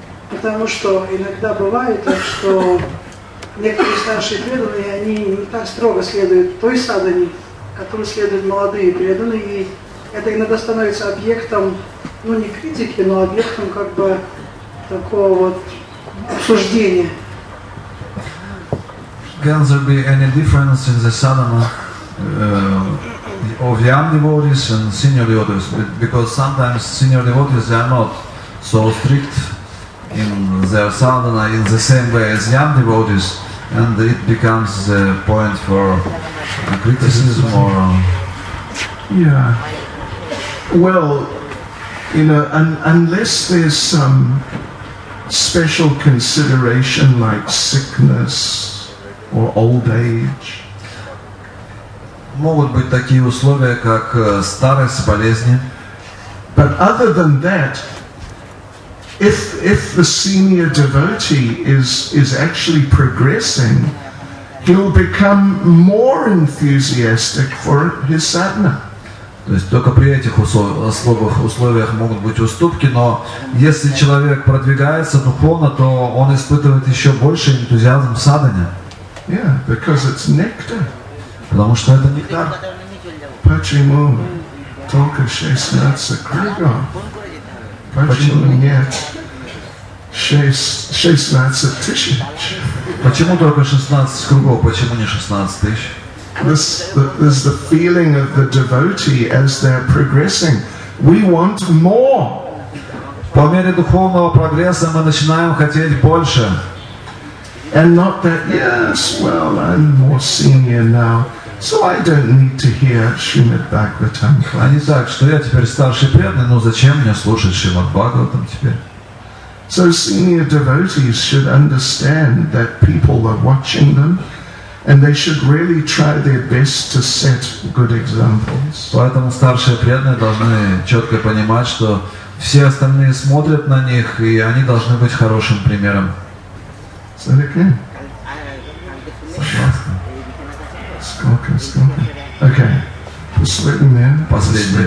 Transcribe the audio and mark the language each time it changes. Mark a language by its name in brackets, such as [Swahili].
[Russian] Потому что иногда бывает так, что некоторые старшие преданные, они не так строго следуют той садхане, которую следуют молодые преданные, и это иногда становится объектом, ну не критики, но объектом как бы такого вот обсуждения. [English] Can there be any difference in the sadhana of young devotees and senior devotees? Because sometimes senior devotees, they are not so strict in their sadhana in the same way as young devotees, and it becomes a point for criticism or... Yeah. Well, you know, unless there's some special consideration like sickness or old age, [Russian] могут быть такие условия, как старость, болезни. [English] But other than that, if the senior devotee is actually progressing, he'll become more enthusiastic for his sadhana. [Russian] То есть только при этих условиях могут быть уступки, но если человек продвигается духовно, то он испытывает еще больше энтузиазм в садхане. [English] Yeah, because it's nectar. [Russian] Потому что это нектар. Почему только 16 кругов? Почему нет 16 тысяч? Почему только 16 кругов? Почему не 16 тысяч? [English] This is the feeling of the devotee as they're progressing. We want more. [Russian] По мере духовного прогресса мы начинаем хотеть больше. [English] And not that, yes, well, I'm more senior now, so I don't need to hear Srimad Bhagavatam. [Russian] А не так, что я теперь старший преданный, но зачем мне слушать Шримад Бхагаватам теперь? [English] So senior devotees should understand that people are watching them, and they should really try their best to set good examples. [Russian] Поэтому старшие преданные должны четко понимать, что все остальные смотрят на них, и они должны быть хорошим примером. [English] Say it again. [Russian] Согласна. Сколько? Okay. Последний